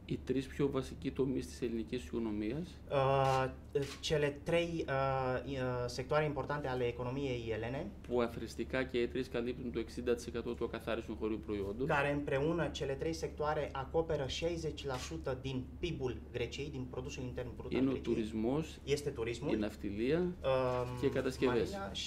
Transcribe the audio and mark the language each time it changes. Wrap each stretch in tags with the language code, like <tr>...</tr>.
<el>οι τρεις πιο βασικοί τομείς της ελληνικής οικονομίας,</el> <ro>cele trei sectoare importante ale economiei elene,</ro> <el>που αθροιστικά και οι τρεις καλύπτουν το 60% του ακαθάριστου χωρίου προϊόντος,</el> <ro>care împreună cele trei sectoare acoperă 60% din PIB-ul Greciei, din produsul intern brut al Greciei,</ro> <el>είναι ο τουρισμός,</el> <ro>este turismul,</ro> <el>η ναυτιλία και οι κατασκευές.</el>